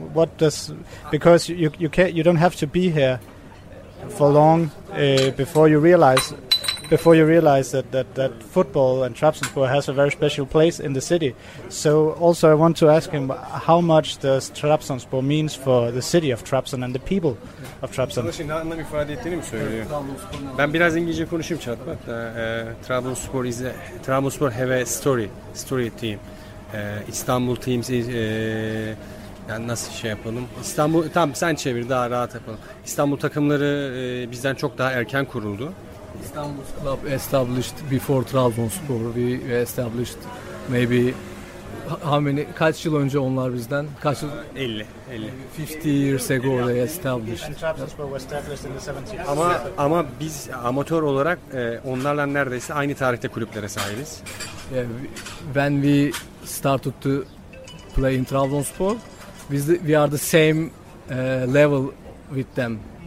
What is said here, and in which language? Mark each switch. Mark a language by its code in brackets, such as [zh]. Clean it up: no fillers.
[en] What does, because you don't have to be here for long before you realize that football and Trabzonspor has a very special place in the city. So also I want to ask him, how much does Trabzonspor means for the city of Trabzon and the people of Trabzon? [tr] Çalışın, anlam ifade ettiğini söylüyor. Ben biraz İngilizce konuşayım çatma. [en] Trabzonspor is Trabzonspor have a story team. [tr] İstanbul [en] teams is [tr] yani nasıl şey yapalım? İstanbul, tamam sen çevir, daha rahat yapalım. İstanbul takımları bizden çok daha erken kuruldu. [en] Istanbul club established before Trabzonspor. We established maybe [tr] kaç yıl önce onlar bizden? Kaç yıl? [en] 50 years ago they established. And Trabzonspor was established in the 70s. [tr] Ama biz amatör olarak onlarla neredeyse aynı tarihte kulüplere sahibiz. [en] Yeah, when we started to play in Trabzonspor, we are the same level with them.